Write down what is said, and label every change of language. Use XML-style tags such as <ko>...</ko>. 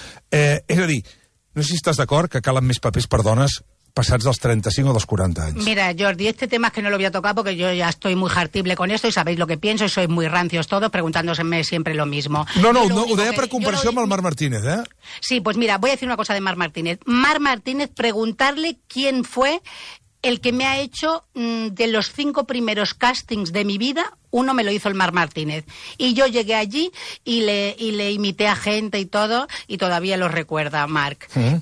<ca>És a dir, no sé si estàs d'acord que calen més papers per dones passats dels 35 o dels 40 anys.</ca> <es>Mira, Jordi, este tema es que no lo voy a tocar porque yo ya estoy muy jartible con esto y sabéis lo que pienso y sois muy rancios todos preguntándoseme siempre lo mismo.</es> <ca>No, ho deia per comparació amb el Marc Martínez, eh?</ca> <es>Sí, pues mira, voy a decir una cosa de Marc Martínez. Marc Martínez, preguntarle quién fue el que me ha hecho de los 5 primeros castings de mi vida, uno me lo hizo el Marc Martínez. Y yo llegué allí y le imité a gente y todo, y todavía lo recuerda Marc. ¿Sí?</es>